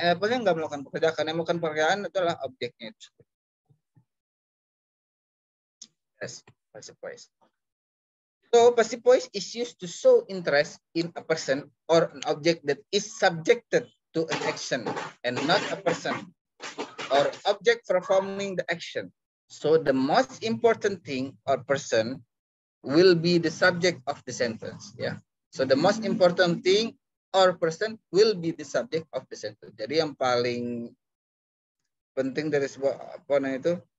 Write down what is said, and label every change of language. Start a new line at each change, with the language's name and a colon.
Indonesian: An apple-nya nggak melakukan pekerjaan, yang melakukan pekerjaan itu adalah objeknya itu.
English: Passive voice. So passive voice is used to show interest in a person or an object that is subjected to an action and not a person or object performing the action. So the most important thing or person will be the subject of the sentence. Yeah. So the most important thing or person will be the subject of the sentence.
Indonesian: Jadi yang paling penting dari sebuah apa namanya itu.